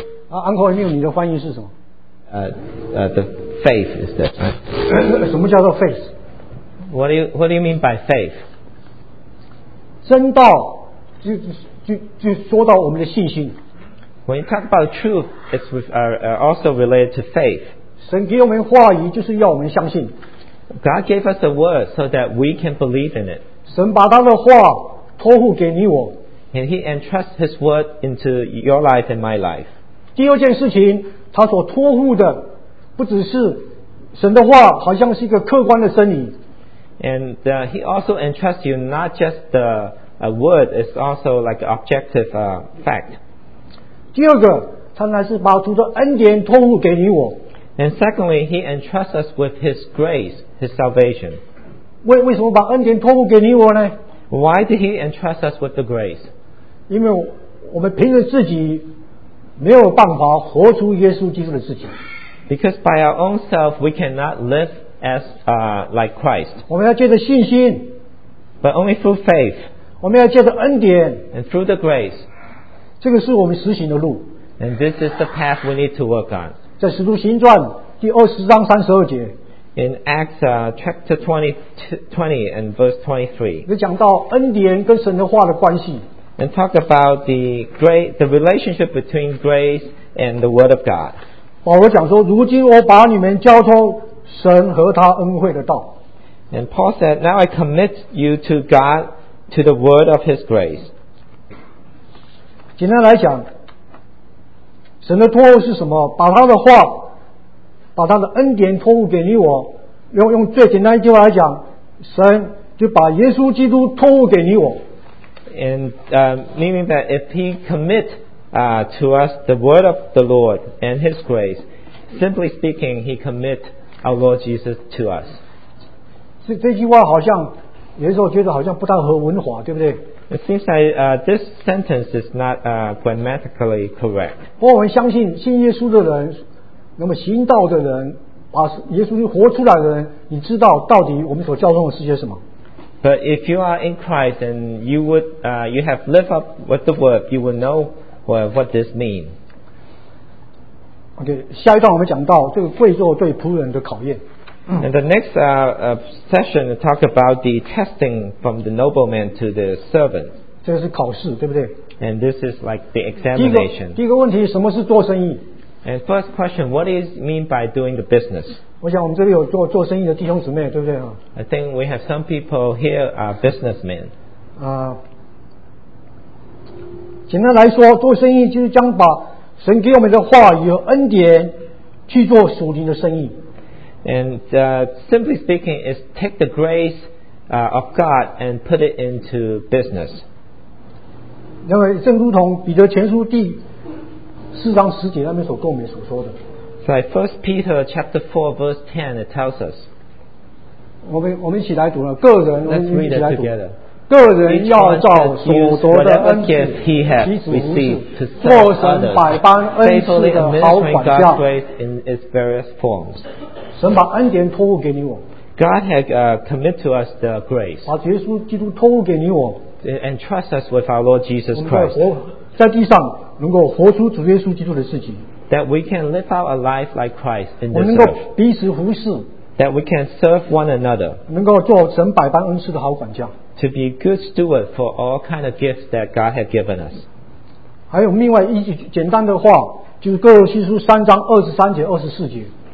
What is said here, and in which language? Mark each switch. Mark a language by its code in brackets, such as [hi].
[zh] Uncle Emil, 你的翻译是什么？ [en] The faith is that, right? [zh] 什么叫做 faith? [en] What do you mean by faith? [zh] 真道就说到我们的信心。 [en] When you talk about truth, it's with, also related to faith. [zh] 神给我们话语就是要我们相信。 [en] God gave us the word so that we can believe in it. [zh] 神把他的话托付给你我。 [en] And he entrusts his word into your life and my life. [zh] 第二件事情，他所托付的不只是神的话，好像是一个客观的真理。 [en] And he also entrusts you not just the word, it's also like objective fact. [zh] 第二个，他乃是把主的恩典托付给你我。 [en] And secondly, he entrusts us with his grace, his salvation. [zh] 为什么把恩典托付给你我呢？ [en] Why did he entrust us with the grace? [zh] 因为我们凭着自己没有办法活出耶稣基督的自己。 [en] Because by our own self we cannot live as like Christ. [zh] 我们要借着信心。 [en] But only through faith. [zh] 我们要借着恩典。 [en] And through the grace. [zh] 这个是我们实行的路。 [en] And this is the path we need to work on. [zh] 在使徒行传第二十章三十二节。 [en] In Acts chapter 20 and verse 23, [zh] 讲到恩典跟神的话的关系。 [en] And talk about the relationship between grace and the word of God. [zh] 保罗讲说，如今我把你们交托神和他恩惠的道。 [en] And Paul said, now I commit you to God, to the word of His grace. [zh] 简单来讲，神的托付是什么？把他的话。把他的恩典托付给你我，用最简单一句话来讲，神就把耶稣基督托付给你我。 [en] And meaning that if he commit to us the word of the Lord and his grace, simply speaking, he commit our Lord Jesus to us. [zh] 这句话好像有时候觉得好像不太合文法，对不对？ [en] It seems like this sentence is not grammatically correct. [zh] 不过我们相信信耶稣的人。那么行道的人，把耶稣活出来的人，你知道到底我们所教导的是些什么？ [en] But if you are in Christ and you would you have lived up with the word, you would know what this means. [zh] Okay, 下一段我们讲到这个贵胄对仆人的考验。 [en] And the next session talk about the testing from the nobleman to the servant. [zh] 这个是考试，对不对？ [en] And this is like the examination. [zh] 第一个问题，什么是做生意？ [en] And first question, what is mean by doing the business? [zh] 我想我们这里有做生意的弟兄姊妹，对不对啊？ [en] I think we have some people here are businessmen. [zh] 简单来说，做生意就是将把神给我们的话语和恩典去做属灵的生意。 [en] And simply speaking, is take the grace of God and put it into business. [zh] 因为正如同彼得前书第四章十节那边所跟我们所说的。 [en] So like First Peter chapter 4 verse 10 it tells us. [zh] 我们一起来读了，个人我们一起来读。个人要照所得的恩赐，其主如此，做神百般恩赐的好管教。 [en] In its various forms. [zh] 神把恩典托付给你我。 [en] God had commit to us the grace. [zh] 把耶稣基督托付给你我。 [en] And trust us with our Lord Jesus Christ. [zh] 在地上。能够活出主耶稣基督的事情。 [en] That we can live out a life like Christ in this [zh] earth. 我能够彼此服侍。 [en] That we can serve one another. [zh] 能够做神百般恩赐的好管教。 [en] To be good steward for all kind of gifts that God has given us. [zh] 还有另外一句简单的话，就是哥罗西书三章二十三节、二十四节。